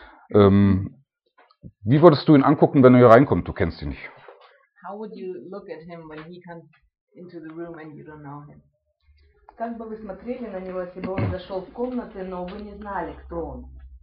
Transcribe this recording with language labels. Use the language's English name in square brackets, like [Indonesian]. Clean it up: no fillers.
[German] Wie würdest du ihn angucken, wenn er hier reinkommt? Du kennst ihn nicht. [English] How would you look at him when he comes into the room and you don't know him? [Russian] Как бы вы смотрели на него, если бы он зашел в комнаты, но вы не знали, кто он?